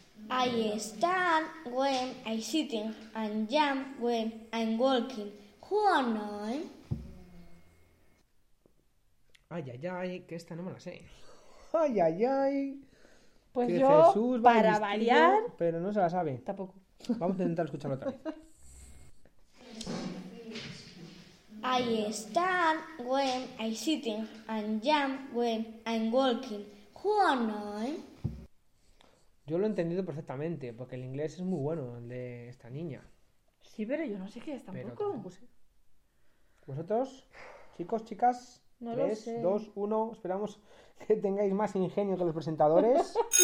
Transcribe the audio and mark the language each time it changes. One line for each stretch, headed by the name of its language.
English: I stand when I'm sitting and jump when I'm walking. Who am I?
Spanish: Ay, ay, ay, que esta no me la sé. Ay, ay, ay. Pues yo, Jesús va para vestido, variar... Pero no se la sabe. Tampoco. Vamos a intentar escucharlo otra vez.
English: I stand when I'm sitting and jump when I'm walking. Who am I?
Spanish: Yo lo he entendido perfectamente, porque el inglés es muy bueno, el de esta niña. Sí, pero yo no sé qué es tampoco. ¿Vosotros? Chicos, chicas... No 3, 2, 1, esperamos que tengáis más ingenio que los presentadores.